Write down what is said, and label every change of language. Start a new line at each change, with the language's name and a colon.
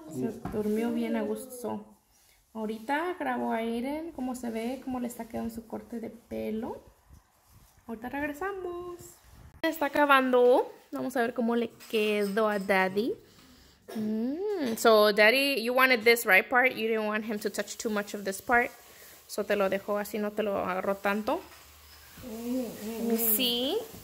Spanish: Se durmió bien a gusto. Ahorita grabó a Aiden cómo se ve, cómo le está quedando su corte de pelo. Ahorita regresamos. Está acabando. Vamos a ver cómo le quedó a Daddy.
English: So, Daddy, you wanted this right part. You didn't want him to touch too much of this part.
Spanish: So, te lo dejó así, no te lo agarró tanto.
English: Let me see.